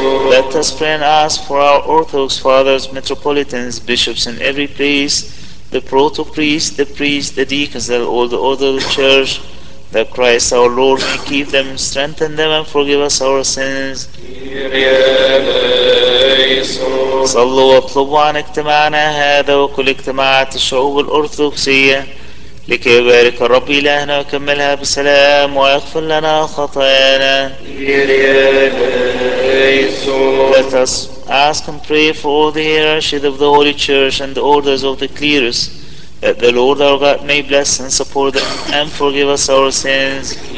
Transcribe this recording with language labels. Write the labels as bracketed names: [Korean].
[English] Let us pray and ask for our Orthodox fathers, metropolitans, bishops, and every priest, the proto-priest, the priest, the deacons, and all the order of the church, that Christ our Lord may keep them, strengthen them, and forgive us our sins. [Arabic] صلوا واطلبوا عن اجتماعنا هذا وكل اجتماعات الشعوب الأرثوذكسية لكي يبارك الرب إلهنا ويكملها بسلام ويغفر لنا خطايانا. [English] Let us ask and pray for all the hierarchies of the Holy Church and the orders of the clerics, that the Lord our God may bless and support them and forgive us our sins.